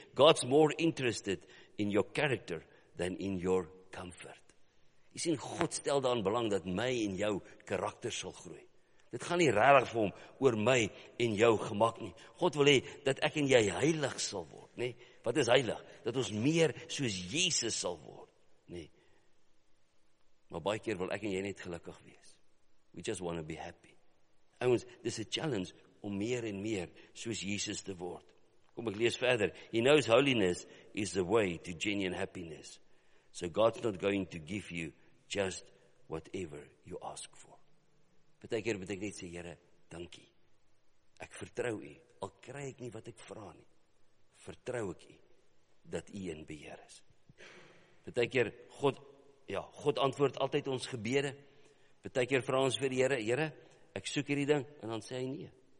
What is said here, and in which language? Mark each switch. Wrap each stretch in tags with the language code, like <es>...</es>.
<en>God's more interested in your character than in your comfort.</en> <af>Jy sien, God stel daar in belang dat my en jou karakter sal groei. Dit gaan nie rarig vir hom oor my en jou gemak nie. God wil hê dat ek en jy heilig sal word. Nee, wat is heilig? Dat ons meer soos Jesus sal word. Nee. Maar baie keer wil ek en jy net gelukkig wees.</af> <en>We just want to be happy.</en> <af>Ouens, dis 'n challenge om meer en meer soos Jesus te word. Kom, ek lees verder.</af> <en>He knows holiness is the way to genuine happiness. So God's not going to give you just whatever you ask for.</en> <af>Baie keer moet ek net sê, Here, dankie. Ek vertrou u, al kry ek nie wat ek vra nie. Vertrou ek u, dat u in beheer is. Baie keer, God antwoord altyd ons gebede. Baie keer vra ons vir die Here, Here, ek soek hierdie ding, en dan sê hy nee.</af>